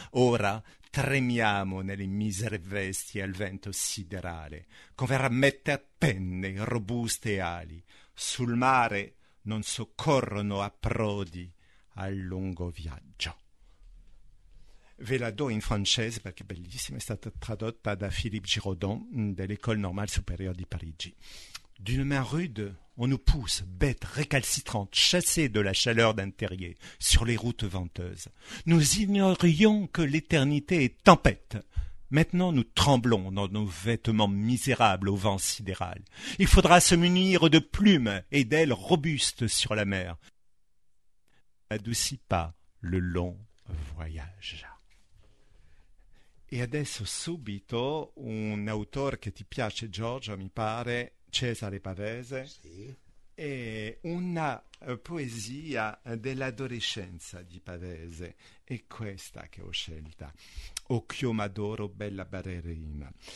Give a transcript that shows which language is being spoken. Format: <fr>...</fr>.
<it>Ora tremiamo nelle misere vesti al vento siderale, come rammette a penne robuste ali. Sul mare non soccorrono approdi al lungo viaggio. Ve la do in francese perché è bellissima. È stata tradotta da Philippe Giraudon dell'École Normale Supérieure di Parigi.</it> <fr>D'une main rude, on nous pousse, bêtes récalcitrantes, chassées de la chaleur d'un terrier, sur les routes venteuses. Nous ignorions que l'éternité est tempête. Maintenant, nous tremblons dans nos vêtements misérables au vent sidéral. Il faudra se munir de plumes et d'ailes robustes sur la mer. N'adoucis pas le long voyage.</fr> <it>Et adesso subito, un autore che ti piace, Giorgio, mi pare... Cesare Pavese, sì. E una poesia dell'adolescenza di Pavese è questa che ho scelta, Occhio Madoro, bella ballerina.</it>